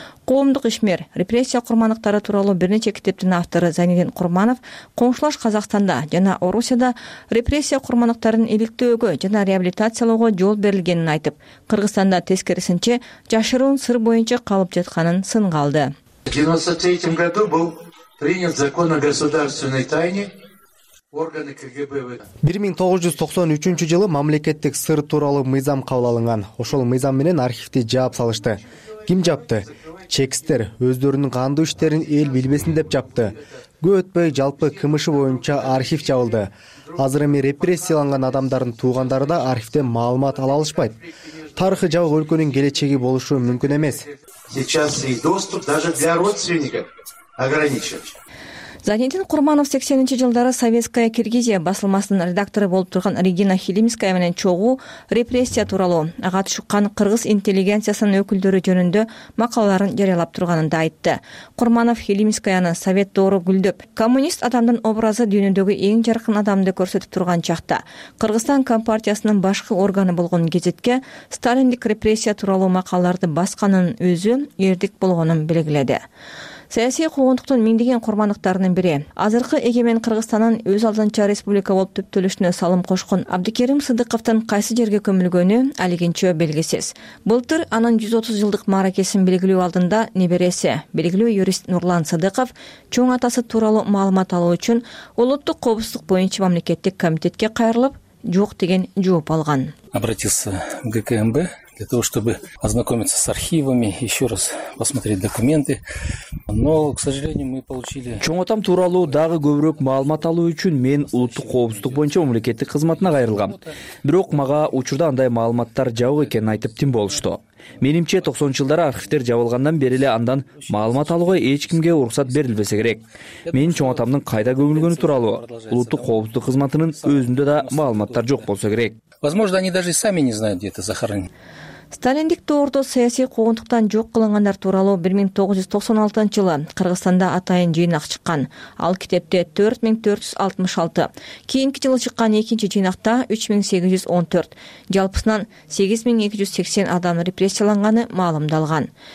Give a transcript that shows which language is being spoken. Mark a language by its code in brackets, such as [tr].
[ky] Коомдук ишмер, репрессия курмандыктары тууралуу бир нече китептин автору Зайнедин Курманов коңшулаш Казакстанда жана Орусияда репрессия курмандыктарын иликтөөгө жана реабилитациялоого жол берилгенин айтып, Кыргызстанда тескерисинче жашыруун сыр боюнча калып жатканын сынга алды. [ru] В 1993 году был принят закон о государственной тайне. [ky] 1993 жылы мамлекеттик сыр тууралуу мыйзам кабыл алынган. Ошол мыйзам менен архивди жаап салышты. Ким жапты? Чекистер өздөрүнүн кандуу иштерин эл билбесин деп жапты. Көп өтпөй жалпы КМШ боюнча архив жабылды. Азыр эми репрессияланган адамдардын туугандары да архивден маалымат ала алышпайт. Тарыхы жабык өлкөнүн келечеги болушу мүмкүн эмес. [ru] Сейчас и доступ даже для родственников ограничен. [ky] Зайнедин Курманов 80-ci жылдары Советская Киргизия басылмасынын редактору болуп турган Регина Хилимская менен чогуу репрессия тууралуу ага түшкөн кыргыз интеллигенциясынын өкүлдөрү жөнүндө макалаларын жарыялап турганында айтты. Курманов Хилимскаяны совет доору гүлдөп, коммунист адамдын образы дүйнөдөгү эң жаркын адамды көрсөтүп турган чакта, Кыргызстан Компартиясынын башкы органы болгон гезитке сталиндик репрессия тууралуу макалаларды басканын өзү эрдик болгонун белгиледи. Саясий куугунтуктун миңдеген курмандыктарынын бири, азыркы эгемен Кыргызстандын өз алдынча республика болуп төптөлүшүнө салым кошкон Абдыкерим Сыдыковтун кайсы жерге көмүлгөнү али күнчө белгисиз. Былтыр анын 130 жылдык мааракесин белгилөө алдында небереси, белгилүү юрист Нурлан Сыдыков чоң атасы тууралуу маалымат алуу үчүн улуттук коопсуздук боюнча мамлекеттик комитетке кайрылып, жок деген жооп алган. [ru] Обратился в ГКМБ для того, чтобы ознакомиться с архивами, еще раз посмотреть документы. Но, к сожалению, мы получили... [ky] Чоң атам тууралуу дагы көбүрөөк маалымат алуу үчүн мен улуттук коопсуздук боюнча мамлекеттик кызматына кайрылгам. Бирок мага учурда андай маалыматтар жабык экенин айтып тим болушту. Менимче 90 жылдары архивтер жабылгандан бери эле андан маалымат алууга эч кимге уруксат берилбесе керек. Менин чоң атамдын кайда көмүлгөнү тууралуу улуттук коопсуздук кызматынын өзүндө да маалыматтар жок болсо керек. [ru] Возможно, они даже сами не знают, где это захоронено. [ky] Сталиндик доордо саясий куугунтуктан жок кылынгандар тууралуу 1996 жылы Кыргызстанда атайын жыйнак чыккан. Ал китепте 4466, кийинки жылы чыккан экинчи жыйнакта 3814, жалпысынан 8280 адам репрессияланганы маалымдалган.